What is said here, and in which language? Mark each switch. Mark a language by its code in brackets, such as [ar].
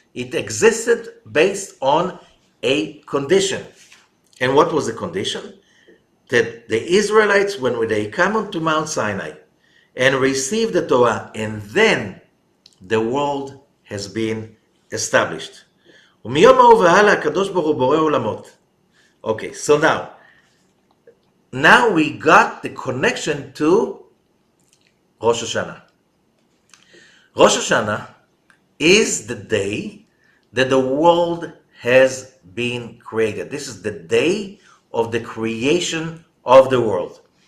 [en] It existed based on a condition. And what was the condition? That the Israelites, when they come onto Mount Sinai and receive the Torah, and then the world has been established. [he] ומיום ההוא והלאה, הקדוש ברוך הוא בורא עולמות. [en] Okay, so now we got the connection to Rosh Hashanah. Rosh Hashanah is the day that the world has been created. This is the day of the creation of the world.